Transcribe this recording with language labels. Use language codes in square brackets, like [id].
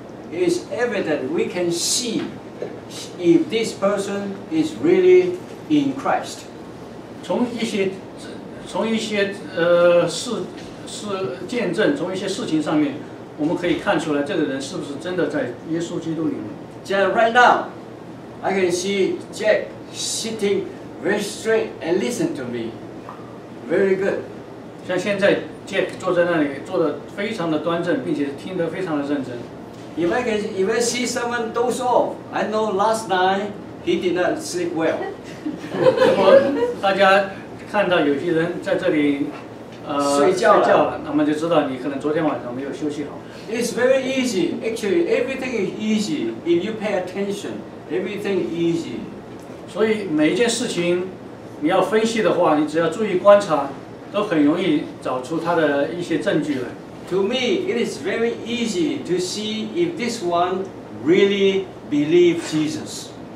[en] It's evident we can see if this person is really in Christ. [zh] 从一些事情上面，我们可以看出来这个人是不是真的在耶稣基督里面。 [en] Just right now, I can see Jack sitting very straight and listen to me. Very good. [zh] 像现在 Jack 坐在那里，坐得非常的端正，并且听得非常的认真。 [en] If I see someone doze off, I know last night he did not sleep well. [zh] 如果大家看到有些人在这里睡觉了，那么就知道你可能昨天晚上没有休息好。 [en] It's very easy. Actually, everything is easy if you pay attention. Everything is easy. [zh] 所以每一件事情你要分析的话，你只要注意观察，都很容易找出它的一些证据来。 [en] To me, it is very easy to see if this one really believes Jesus.